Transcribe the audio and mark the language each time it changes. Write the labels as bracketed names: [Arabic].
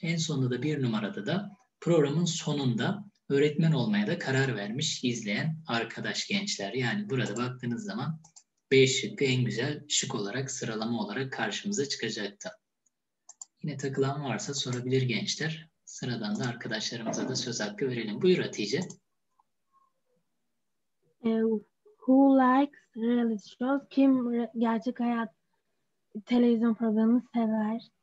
[Turkish] En sonunda da 1 numarada da programın sonunda öğretmen olmaya da karar vermiş izleyen arkadaş gençler. Yani burada baktığınız zaman B şıkkı en güzel şık olarak, sıralama olarak karşımıza çıkacaktı. Yine takılan varsa sorabilir gençler. Sıradan da arkadaşlarımıza da söz hakkı verelim. Buyur Hatice. [English] Who likes reality shows? [Turkish] Kim gerçek hayat televizyon programını sever?